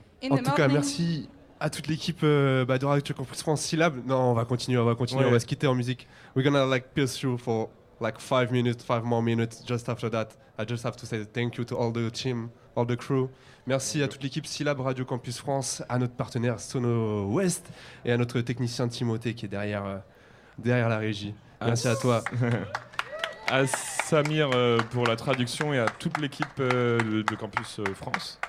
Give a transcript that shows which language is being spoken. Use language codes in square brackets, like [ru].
[fr] En tout cas, merci à toute l'équipe de Radio Campus France. Syllabe. Non, on va continuer. Ouais. On va se quitter en musique. [en] We're gonna like pursue for like 5 more minutes. Just after that, I just have to say thank you to all the team, all the crew. [fr] Merci à toute l'équipe Syllabe Radio Campus France, à notre partenaire Sono West et à notre technicien Timothée qui est derrière la régie. Merci à toi. À Samir pour la traduction et à toute l'équipe de Campus France.